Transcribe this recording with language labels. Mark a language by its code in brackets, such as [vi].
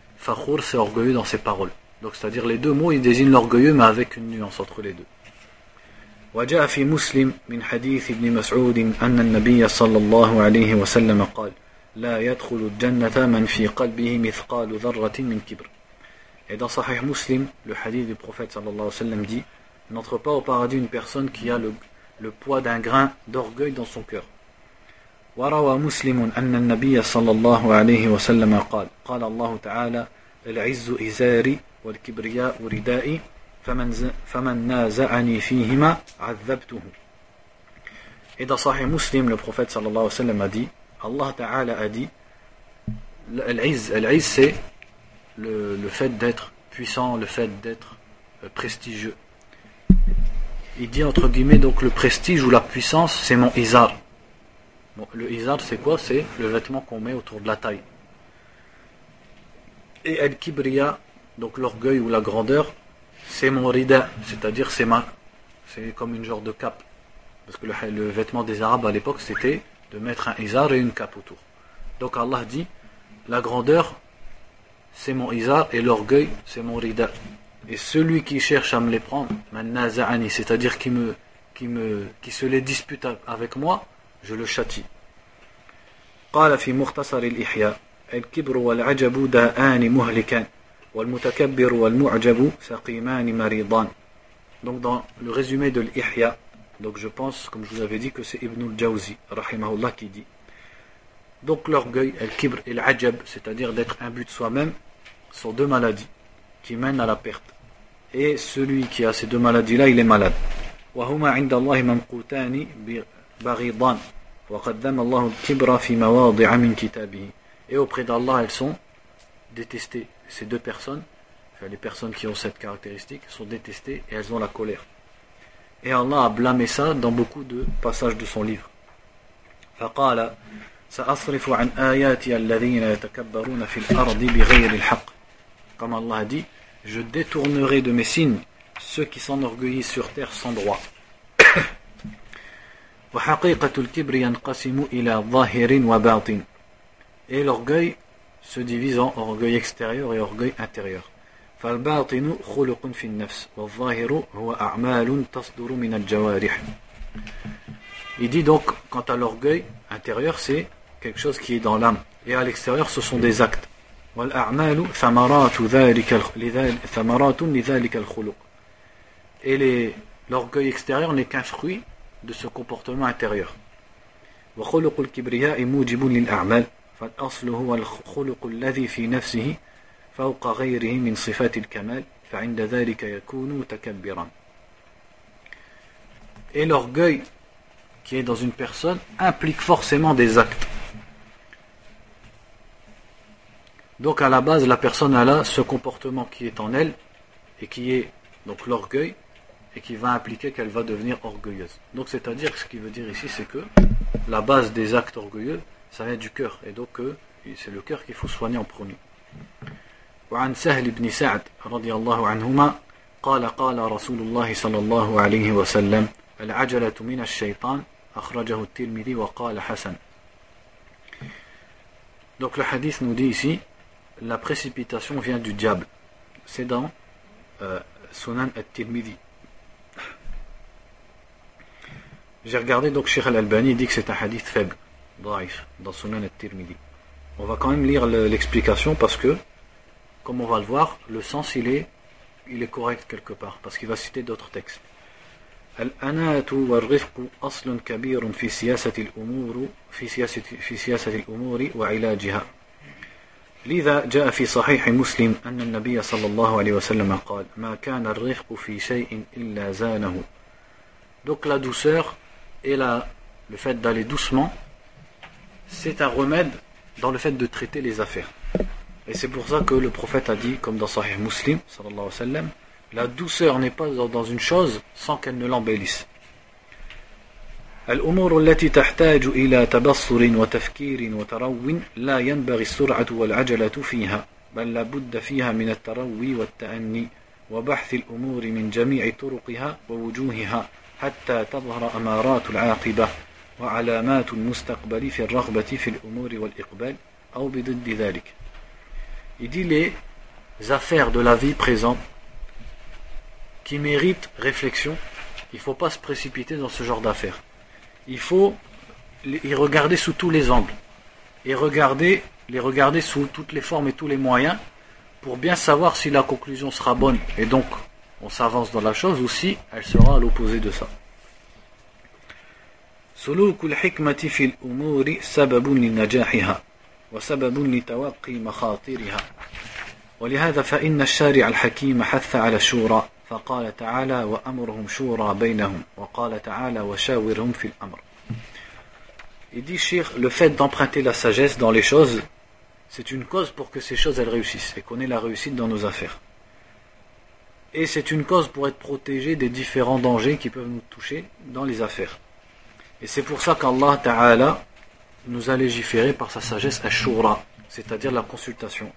[fr] Fakhur c'est orgueilleux dans ses paroles. Donc c'est-à-dire les deux mots, ils désignent l'orgueilleux mais avec une nuance entre les deux. [ar] وجاء في مسلم من حديث ابن مسعود أن النبي صلى الله عليه وسلم قال لا يدخل الجنة من في قلبه مثقال ذرة من كبر. [fr] Et dans Sahih Muslim, le hadith du prophète [ar] صلى الله عليه وسلم [fr] dit n'entre pas au paradis une personne qui a le poids d'un grain d'orgueil dans son cœur. [ar] وروى مسلم أن النبي صلى الله عليه وسلم قال الله تعالى العز إزاري والكبرياء ردائي فمن نازعني فيهما عذبته. [fr] Et dans Sahih Muslim, le prophète [ar] صلى الله عليه وسلم [fr] a dit, Allah Ta'ala a dit, l'iz c'est le fait d'être puissant, le fait d'être prestigieux. Il dit entre guillemets, donc le prestige ou la puissance, c'est mon izar. Bon, le izar c'est quoi? C'est le vêtement qu'on met autour de la taille. Et al-kibriya, donc l'orgueil ou la grandeur, c'est mon rida, c'est-à-dire c'est comme une genre de cape. Parce que le vêtement des Arabes à l'époque, c'était de mettre un izar et une cape autour. Donc Allah dit, la grandeur, c'est mon izar, et l'orgueil, c'est mon rida. Et celui qui cherche à me les prendre, manaza'ani, c'est-à-dire qui se les dispute avec moi, je le châtie. [ar] قال في مختصر الإحياء الكبر والعجب داءان مهلكان والمتكبر والمعجب سقيمان مريضان. [fr] Donc dans le résumé de l'Ihya, donc je pense, comme je vous avais dit, que c'est Ibn al-Jawzi, rahimahullah, qui dit. Donc l'orgueil, al-kibr et al-ajab, c'est-à-dire d'être imbu de soi-même, sont deux maladies qui mènent à la perte. Et celui qui a ces deux maladies-là, il est malade. [ar] وهما عند الله ممقوتان بغيضان وقد ذم الله الكبر في مواضع من كتابه. [fr] Et auprès d'Allah, elles sont détestées. Ces deux personnes, enfin les personnes qui ont cette caractéristique, sont détestées et elles ont la colère. Et Allah a blâmé ça dans beaucoup de passages de son livre. [ar] فقال سأصرف عن آياتي الذين يتكبرون في الأرض بغير الحق. [fr] Comme Allah a dit, je détournerai de mes signes ceux qui s'enorgueillissent sur terre sans droit. [ar] وحقيقة الكبر ينقسم إلى ظاهر وباطن. [fr] Et l'orgueil se divise en orgueil extérieur et orgueil intérieur. [ar] فالباطن خلق في النفس والظاهر هو أعمال تصدر من الجوارح. [fr] Il dit donc, quant à l'orgueil intérieur, c'est quelque chose qui est dans l'âme. Et à l'extérieur, ce sont des actes. [ar] والأعمال ثمرات ذلك ثمرات لذلك الخلق. [fr] Et l'orgueil extérieur n'est qu'un fruit de ce comportement intérieur. [ar] وخلق الكبرياء موجب للأعمال. فالأصل هو الخلق الذي في نفسه فوق غيره من صفات الكمال فعند ذلك يكون متكبرا. [fr] Et l'orgueil qui est dans une personne implique forcément des actes. Donc à la base, la personne a là ce comportement qui est en elle et qui est donc l'orgueil et qui va impliquer qu'elle va devenir orgueilleuse. Donc c'est-à-dire, ce qu'il veut dire ici, c'est que la base des actes orgueilleux, ça vient du cœur, et donc c'est le cœur qu'il faut soigner en premier. [ar] وعن سهل بن سعد رضي الله عنهما قال قال رسول الله صلى الله عليه وسلم العجلة من الشيطان أخرجه الترمذي وقال حسن. [fr] Donc le hadith nous dit ici, la précipitation vient du diable. c'est dans Sunan al-Tirmidhi. J'ai regardé, donc Cheikh al-Albani dit que c'est un hadith faible, daif, dans Sunan al-Tirmidhi. On va quand même lire l'explication parce que, comme on va le voir, le sens il est correct quelque part, parce qu'il va citer d'autres textes. [ar] الأناة والرفق أصل كبير في سياسة الأمور في سياسة الأمور وعلاجها. لذا جاء في صحيح مسلم أن النبي صلى الله عليه وسلم قال: ما كان الرفق في شيء إلا زانه. [fr] Donc la douceur et le fait d'aller doucement, c'est un remède dans le fait de traiter les affaires. Et c'est pour ça que le prophète a dit, comme dans Sahih Muslim, [ar] صلى الله عليه وسلم, [fr] la douceur n'est pas dans une chose sans qu'elle ne l'embellisse. [ar] الأمور التي تحتاج إلى تبصر وتفكير وتروي لا ينبغي السرعة والعجلة فيها بل لابد فيها من التروي والتأني وبحث الأمور من جميع طرقها ووجوهها حتى تظهر أمارات العاقبة وعلامات المستقبل في الرغبة في الأمور والإقبال أو بضد ذلك. [fr] Il dit les affaires de la vie présente qui mérite réflexion, il ne faut pas se précipiter dans ce genre d'affaires. Il faut y regarder sous tous les angles, et regarder sous toutes les formes et tous les moyens, pour bien savoir si la conclusion sera bonne, et donc on s'avance dans la chose, ou si elle sera à l'opposé de ça. [ar] سُلُوكُ الْحِكْمَةِ فِي الْأُمُورِ سَبَبٌ لِلنَّجَاحِهَا وَسَبَبٌ لِتَوَقِّي مَخَاطِرِهَا وَلِهَذَا فَإِنَّ الشَّارِعَ الْحَكِيمَ حَثَّ عَلَى الشُّورَى فقال تعالى وأمرهم شورى بينهم وقال تعالى وشاورهم في الأمر. [fr] Il dit Cheikh, le fait d'emprunter la sagesse dans les choses, c'est une cause pour que ces choses elles réussissent et qu'on ait la réussite dans nos affaires. Et c'est une cause pour être protégé des différents dangers qui peuvent nous toucher dans les affaires. Et c'est pour ça qu'Allah Ta'ala nous a légiféré par sa sagesse à shura, c'est-à-dire la consultation.